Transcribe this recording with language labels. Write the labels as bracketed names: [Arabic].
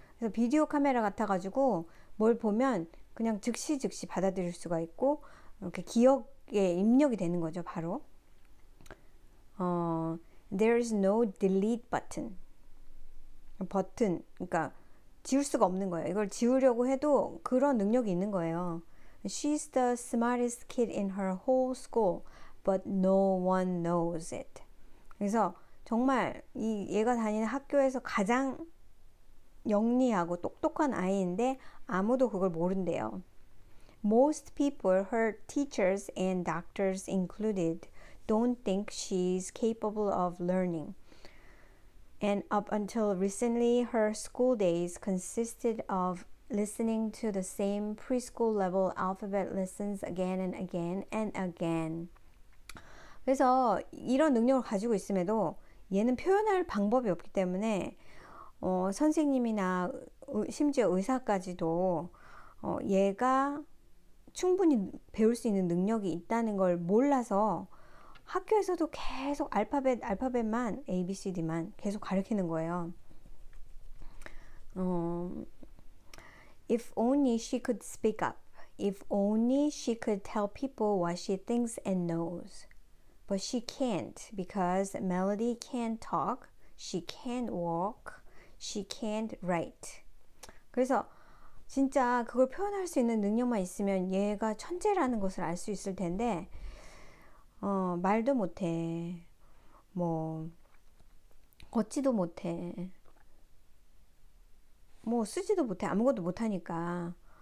[Korean] 그래서 비디오 카메라 같아가지고 뭘 보면 그냥 즉시 즉시 받아들일 수가 있고, 이렇게 기억에 입력이 되는 거죠, 바로. [English] There is no delete button. [Korean] 버튼, 그러니까 지울 수가 없는 거예요. 이걸 지우려고 해도 그런 능력이 있는 거예요. [English] She's the smartest kid in her whole school, but no one knows it. [Korean] 그래서 정말 이 얘가 다니는 학교에서 가장 영리하고 똑똑한 아이인데 아무도 그걸 모른대요. [English] Most people, her teachers and doctors included, don't think she's capable of learning. And up until recently, her school days consisted of listening to the same preschool level alphabet lessons again and again and again. [Korean] 그래서 이런 능력을 가지고 있음에도 얘는 표현할 방법이 없기 때문에 선생님이나 심지어 의사까지도 얘가 충분히 배울 수 있는 능력이 있다는 걸 몰라서 학교에서도 계속 알파벳만 ABCD만 계속 가르치는 거예요. [English] If only she could speak up. If only she could tell people what she thinks and knows. But she can't because Melody can't talk, she can't walk, she can't write. [Korean] 그래서 진짜 그걸 표현할 수 있는 능력만 있으면 얘가 천재라는 것을 알수 있을 텐데, 말도 못해, 뭐 걷지도 못해, 뭐 쓰지도 못해, 아무것도 못하니까.